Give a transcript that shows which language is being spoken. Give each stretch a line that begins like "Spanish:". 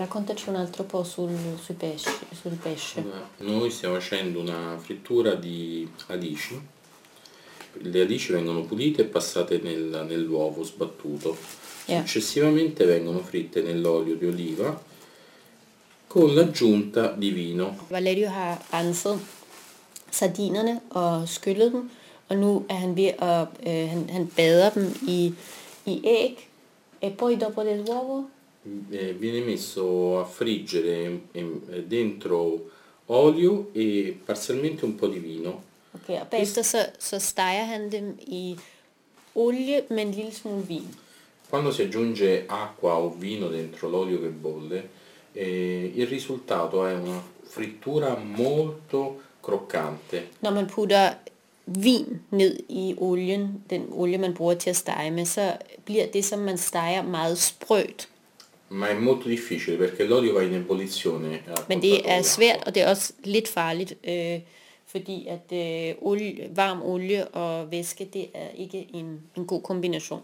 Italian: Raccontaci un altro po' sul pesce. Noi stiamo facendo una frittura di radici. Le radici vengono pulite e passate nell'uovo sbattuto. Successivamente vengono fritte nell'olio di oliva con l'aggiunta di vino.
Danish: Valerio ha renset sardinerne og skyllet dem, og nu er han ved at han bader dem i æg.
Italian: E poi dopo del uovo? Viene messo a friggere dentro olio e parzialmente un po' di vino.
Danish: Ok,
Italian: e poi
Danish: steger han dem i olie med en lille smule vin.
Italian: Quando si aggiunge acqua o vino dentro l'olio che bolle, il risultato è una frittura molto croccante.
Danish: Når man putter vin ned i olien, den olie man bruger til at stege med, så bliver det som man steger meget sprødt.
Italian: Ma è molto difficile perché l'olio va in ebollizione.
Danish: Men det er svært, og det er også lidt farligt, fordi at varm olie og væske, det er ikke en god kombination.